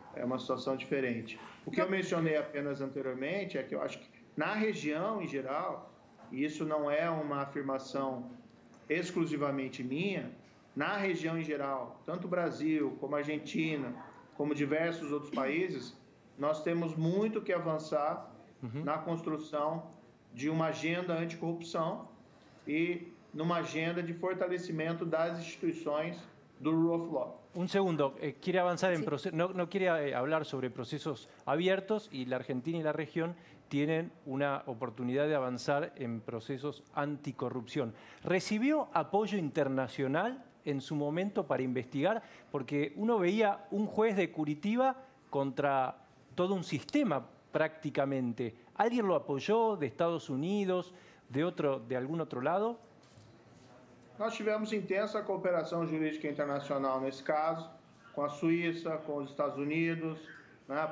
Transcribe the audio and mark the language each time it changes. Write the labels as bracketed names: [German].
[Portuguese] É uma situação diferente. O que eu mencionei apenas anteriormente é que eu acho que na região em geral, e isso não é uma afirmação exclusivamente minha, na região em geral, tanto o Brasil como a Argentina, como diversos outros países, nós temos muito que avançar na construção de uma agenda anticorrupção e numa agenda de fortalecimento das instituições do [English] rule of law. [Spanish] Un segundo, quiere avanzar en proceso, no quiere hablar sobre procesos abiertos, y la Argentina y la región tienen una oportunidad de avanzar en procesos anticorrupción. ¿Recibió apoyo internacional en su momento para investigar? Porque uno veía un juez de Curitiba contra todo un sistema prácticamente. ¿Alguien lo apoyó de Estados Unidos? [Portuguese] De algum outro lado? Nós tivemos intensa cooperação jurídica internacional nesse caso, com a Suíça, com os Estados Unidos, né?